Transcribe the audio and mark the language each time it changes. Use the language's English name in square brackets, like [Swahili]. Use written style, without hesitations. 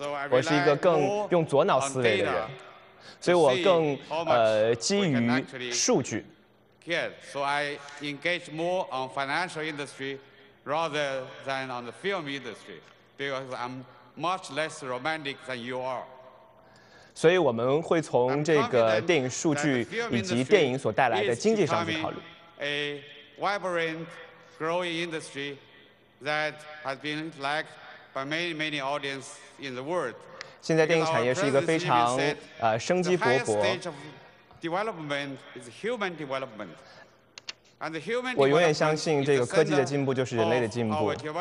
[Chinese] 我是一个更用左脑思维的人，所以我更基于数据。 [English] So I engage more on financial industry rather than on the film industry because I'm much less romantic than you are. [Chinese] 所以我们会从这个电影数据以及电影所带来的经济上去考虑。 [English] A vibrant, growing industry that has been liked by many, many audiences in the world. [Chinese] 现在电影产业是一个非常生机勃勃。 [English] The highest stage of development is human development. And the human development. [Chinese] 我永远相信这个科技的进步就是人类的进步。